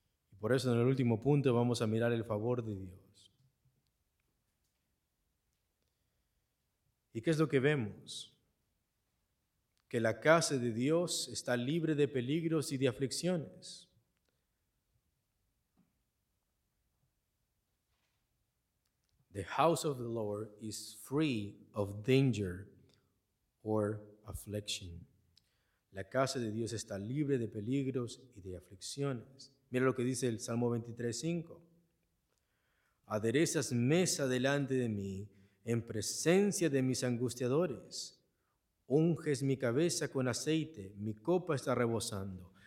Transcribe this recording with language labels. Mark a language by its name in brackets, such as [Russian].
[Spanish] Y por eso en el último punto vamos a mirar el favor de Dios. ¿Y qué es lo que vemos? que la casa de Dios está libre de peligros y de aflicciones. [English] The house of the Lord is free of danger or affliction. [Spanish] La casa de Dios está libre de peligros y de aflicciones. Mira lo que dice el Salmo 23:5. Aderezas mesa delante de mí en presencia de mis angustiadores. Unges mi cabeza con aceite, mi copa está rebosando.